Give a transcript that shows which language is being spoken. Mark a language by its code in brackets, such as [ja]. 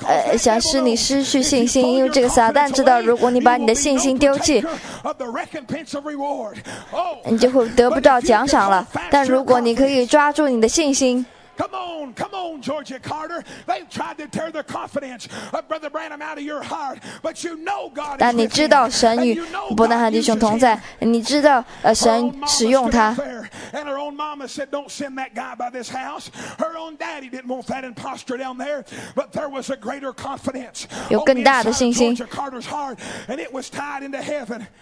[en] that devil knows if you pull your confidence away, he will be no partaker of the recompense of reward. Oh, but if you can hold fast your confidence, Come on, Georgia Carter. They've tried to tear the confidence of Brother Branham out of your heart, but you know God is with him. [zh] 但你知道神与伯南翰弟兄同在，你知道神使用他。 [en] And her own mama said, "Don't send that guy by this house." Her own daddy didn't want that imposter down there, but there was a greater confidence. [zh] 有更大的信心。 [en] Georgia Carter's heart, and it was tied into heaven.